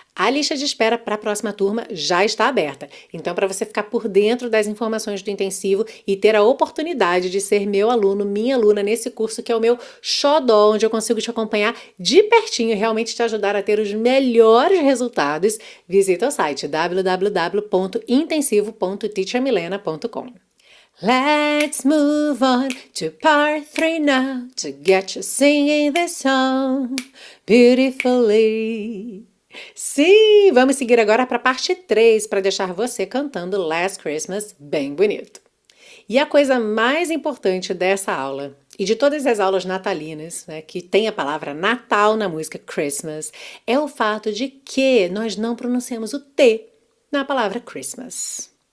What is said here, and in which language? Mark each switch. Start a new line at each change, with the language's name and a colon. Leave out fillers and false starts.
Portuguese: A lista de espera para a próxima turma já está aberta, então para você ficar por dentro das informações do intensivo e ter a oportunidade de ser meu aluno, minha aluna nesse curso que é o meu xodó, onde eu consigo te acompanhar de pertinho e realmente te ajudar a ter os melhores resultados, visita o site www.intensivo.teachermilena.com.
English: Let's move on to part three now to get you singing this song beautifully.
Portuguese: Sim, vamos seguir agora para a parte 3 para deixar você cantando Last Christmas bem bonito. E a coisa mais importante dessa aula e de todas as aulas natalinas, né, que tem a palavra Natal na música Christmas, é o fato de que nós não pronunciamos o T na palavra Christmas.